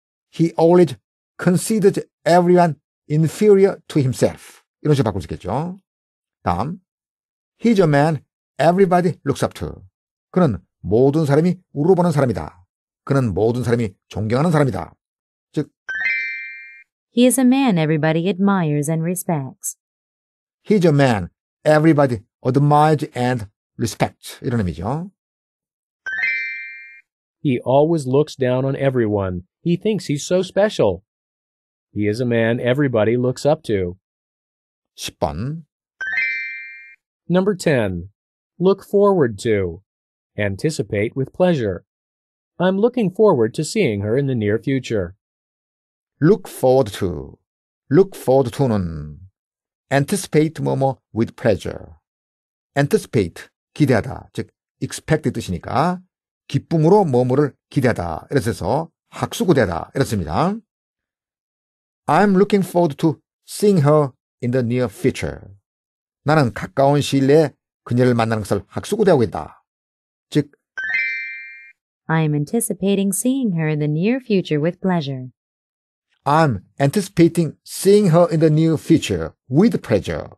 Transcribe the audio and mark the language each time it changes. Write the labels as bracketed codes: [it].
[en] He always considered everyone inferior to himself. [ko] 이런 식으로 바꿀 수 있겠죠. [en] 다음, He's a man everybody looks up to. [ko] 그는 모든 사람이 우러보는 사람이다. 그는 모든 사람이 존경하는 사람이다. 즉, [en] He is a man everybody admires and respects. He's a man everybody admires and respects. [ko] 이런 의미죠. [en] He always looks down on everyone. He thinks he's so special. He is a man everybody looks up to. [ko] 10번. [en] Number 10. Look forward to. Anticipate with pleasure. I'm looking forward to seeing her in the near future. Look forward to. Look forward to는 anticipate 뭐뭐 with pleasure. [ko] Anticipate 기대하다. 즉 expect의 뜻이니까 기쁨으로 뭐뭐를 기대하다. 이래서 학수고대다. 이렇습니다. [en] I'm looking forward to seeing her in the near future. [ko] 나는 가까운 시일 내에 그녀를 만나는 것을 학수고대하고 있다. 즉, [en] I'm anticipating seeing her in the near future with pleasure. I'm anticipating seeing her in the near future with pleasure.